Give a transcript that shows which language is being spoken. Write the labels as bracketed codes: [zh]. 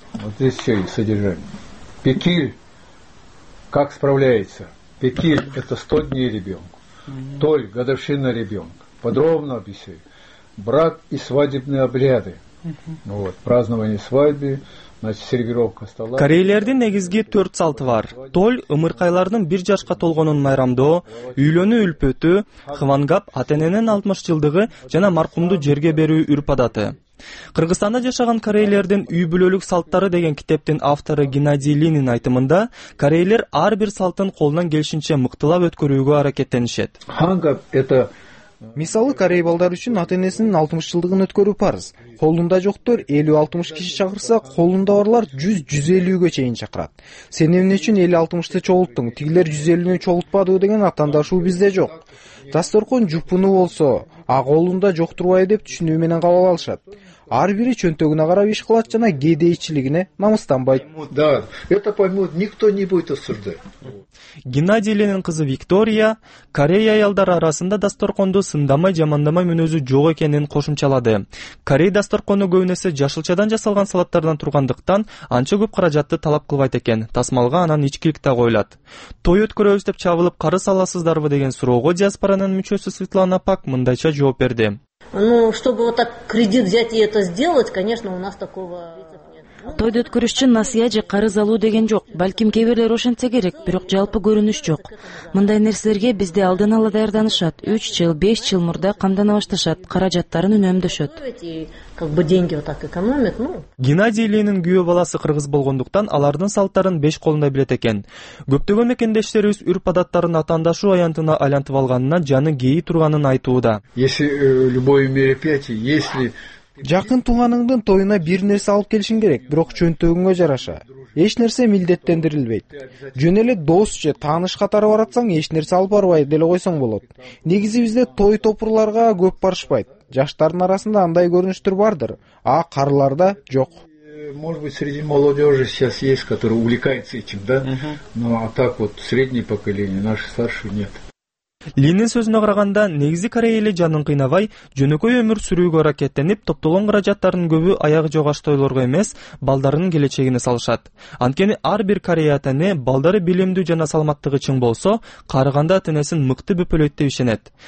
[ru] Вот здесь все есть содержание. Пекиль. Как справляется? Пекиль – это 100 дней ребенку. Толь – годовщина ребенка. Подробно объясняю. Брак и свадебные обряды. Вот, празднование свадьбы, значит, сервировка стола. [ky] Корейлердин негизги 4 салты бар. Толь – ымыркайлардын 1 жашка толгонун майрамдоо, үйлөнүү үлпөтү, хвангап атененин 60 жылдыгы жана маркумду жерге берүү үрп адаты. Кыргызстанда жашаган корейлердин үй бүлөлүк салттары деген китептин автору Геннадий Линин айтымында корейлер ар бир салтын колунан келишинче мыктылап өткөрүүгө аракеттенишет. Мисалы, корей балдар үчүн ата энесинин 60 жылдыгын өткөрүү парыз. Колунда жоктор 50-60 киши чакырса, колунда барлар 100-150 чейин чакырат. Сен эмне үчүн 50-60 чогулттуң? Тигилер 150 чогултпадыбы деген атаандашуу бизде жок. Дасторкон жупуну болсо, а колунда жок турбайбы деп түшүнүү менен кабыл алышат. Ар бири чөнтөгүнө карап иш кылат жана кедейчилигине намыстанбайт. [ru] Да, это поймут, никто не будет осуждать. [ky] Геннадий Ленин кызы Виктория Корей аялдары арасында дасторкондо сындамай жамандамай мүнөзү жок экенин кошумчалады. Корей дасторкону көбүнесе жашылчадан жасалган салаттардан тургандыктан анча көп каражатты талап кылбайт экен. Тасмалга анан ичкилик да коюлат. Той өткөрөбүз деп чабылып карыз аласыздарбы деген суроого диаспоранын мүчөсү Светлана Пак мындайча жооп берди. [ru] Ну, чтобы вот так кредит взять и это сделать, конечно, у нас такого [ky] Тойду өткөрүш үчүн насыя же карыз алуу деген жок. Балким кээ бирлер ошентсе керек, бирок жалпы көрүнүш жок. Мындай нерселерге бизди алдын ала даярданышат. 3 жыл, 5 жыл мурда камдана башташат, каражаттарын үнөмдөшөт. Геннадий Ленин күйөө баласы кыргыз болгондуктан алардын салттарын 5 колунда билет экен. Көптөгөн мекендештерибиз үрп адаттарын атаандашуу аянтына айлантып алганына жаны кейи турганын айтууда. [ru] Если любое мероприятие, если [ky] жакын тууганыңдын тоюна бир нерсе алып келишиң керек, бирок чөнтөгүңө жараша. Эч нерсе милдеттендирилбейт. Жөн эле дос же тааныш катары баратсаң эч нерсе алып барбай деле койсоң болот. Негизи бизде той топурларга көп барышпайт. Жаштардын арасында андай көрүнүштөр бардыр, а карыларда жок. [ru] Может быть, среди молодежи сейчас есть, которые увлекаются этим, да? Ну, а так вот среднее поколение, наши старшие нет. [ky] Линин сөзүнө караганда, негизи Корея эли жанын кыйнабай, жөнөкөй өмүр сүрүүгө аракеттенип, топтолгон каражаттарынын көбү аягы жок аштойлорго эмес, балдарынын келечегине салышат. Анткени ар бир Корея атаэне балдары билимдүү жана саламаттыгы чың болсо, карыганда атаэнесин мыкты бөпөлөйт деп ишенет.